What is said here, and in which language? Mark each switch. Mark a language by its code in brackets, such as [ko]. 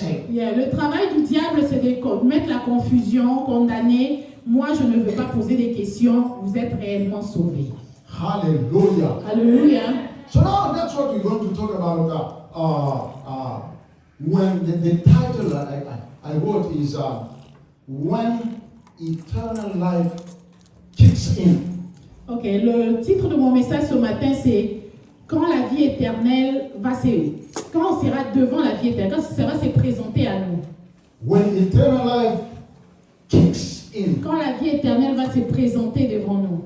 [fr] Le travail du diable, c'est de mettre la confusion, condamner. Moi, je ne veux pas poser des questions. Vous êtes réellement sauvé. [en] Hallelujah. Hallelujah. So now that's what we're going to talk about. When the title I wrote is When Eternal Life Kicks In. [fr] Okay, le titre de mon message ce matin c'est quand la vie éternelle va se quand on sera devant la vie éternelle, quand ça va se présenter à nous. [en] When Eternal Life Kicks In. [fr] Quand la vie éternelle va se présenter devant nous.